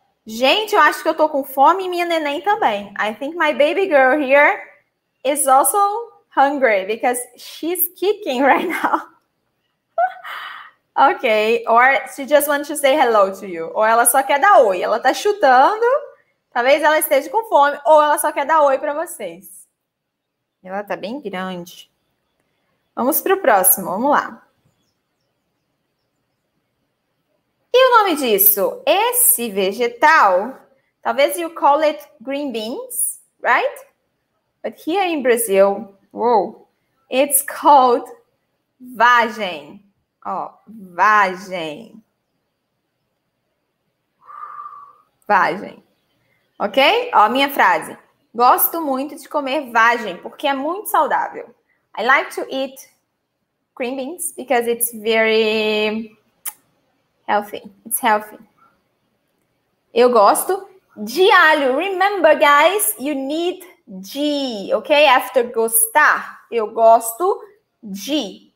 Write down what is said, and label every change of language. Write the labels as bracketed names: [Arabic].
[Portuguese] Gente, eu acho que eu tô com fome e minha neném também. [English] I think my baby girl here is also hungry because she's kicking right now. Okay, or she just wants to say hello to you. [Portuguese] Ou ela só quer dar oi. Ela tá chutando. Talvez ela esteja com fome. Ou ela só quer dar oi para vocês. Ela tá bem grande. Vamos pro próximo, vamos lá. E o nome disso? Esse vegetal, talvez [English] you call it green beans, right? But here in Brazil, whoa, it's called vagem. [Portuguese] Ó, vagem. Vagem. Ok? Ó, minha frase. Gosto muito de comer vagem porque é muito saudável. [English] I like to eat green beans because it's very healthy. It's healthy. [Portuguese] Eu gosto de alho. [English] Remember, guys, you need de, okay? After gostar, [Portuguese] eu gosto de.